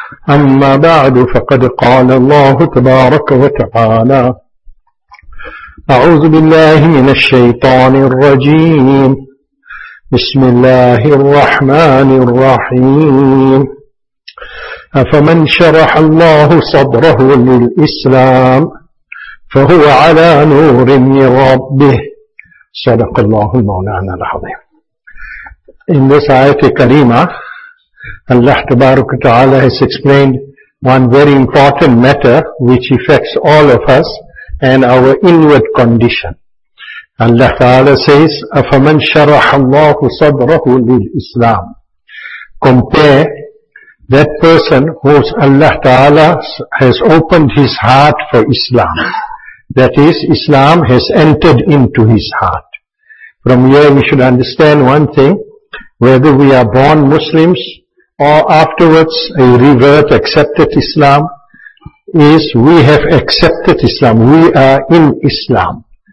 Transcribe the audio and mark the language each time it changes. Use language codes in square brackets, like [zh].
[ar] أما بعد، فقد قال الله تبارك وتعالى: أعوذ بالله من الشيطان الرجيم، بسم الله الرحمن الرحيم: أفمن شرح الله صدره للإسلام فهو على نور من ربه. صدق الله مولانا العظيم. [en] In this ayat kareema, Allah tabarak wa ta'ala has explained one very important matter which affects all of us and our inward condition. Allah ta'ala says, [ar] أَفَمَنْ شَرَحَ اللَّهُ صَدْرَهُ لِلْإِسْلَامِ. [en] Compare that person whose Allah ta'ala has opened his heart for Islam. That is, Islam has entered into his heart. From here we should understand one thing: whether we are born Muslims or afterwards a revert accepted Islam, is we have accepted Islam, we are in Islam.